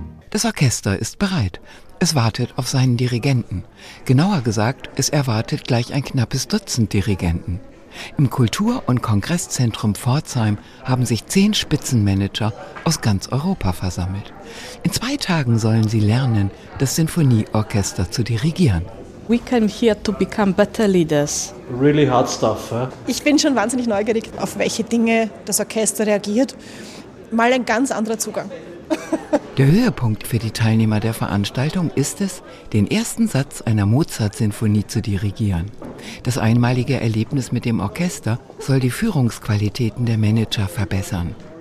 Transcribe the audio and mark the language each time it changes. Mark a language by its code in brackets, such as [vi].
[de] Das Orchester ist bereit. Es wartet auf seinen Dirigenten. Genauer gesagt, es erwartet gleich ein knappes Dutzend Dirigenten. Im Kultur- und Kongresszentrum Pforzheim haben sich 10 Spitzenmanager aus ganz Europa versammelt. In 2 Tagen sollen sie lernen, das Sinfonieorchester zu dirigieren. [en] We came here to become better leaders. Really hard stuff, huh? [de] Ich bin schon wahnsinnig neugierig, auf welche Dinge das Orchester reagiert. Mal ein ganz anderer Zugang. Der Höhepunkt für die Teilnehmer der Veranstaltung ist es, den ersten Satz einer Mozart-Sinfonie zu dirigieren. Das einmalige Erlebnis mit dem Orchester soll die Führungsqualitäten der Manager verbessern.